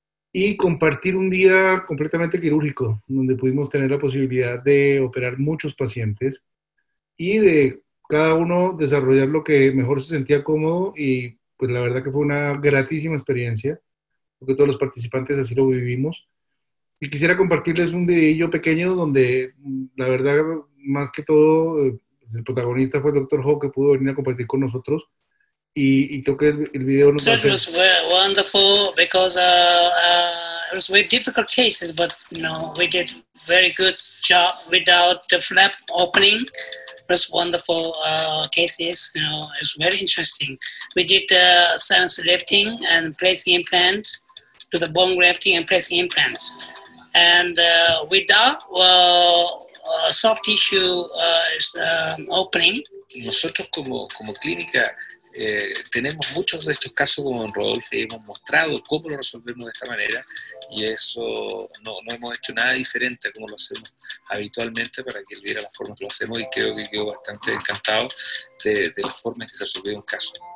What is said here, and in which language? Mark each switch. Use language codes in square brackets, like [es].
[es] y compartir un día completamente quirúrgico, donde pudimos tener la posibilidad de operar muchos pacientes y de cada uno desarrollar lo que mejor se sentía cómodo, y pues la verdad que fue una gratísima experiencia, porque todos los participantes así lo vivimos. Y quisiera compartirles un videillo pequeño donde la verdad, más que todo, el protagonista fue el doctor Ho, que pudo venir a compartir con nosotros, y creo que el video nos va a hacer. [en] Was wonderful because it was very difficult cases, but you know, we did very good job without the flap opening. Was wonderful cases, you know, it's very interesting. We did the sinus lifting and placing implants, to the bone grafting and placing implants. And with that, soft tissue is opening. [es] Nosotros como clínica tenemos muchos de estos casos como en Rodolfo y hemos mostrado cómo lo resolvemos de esta manera y eso no hemos hecho nada diferente a como lo hacemos habitualmente para que él viera la forma que lo hacemos y creo que quedó bastante encantado de la forma en que se resolvió un caso.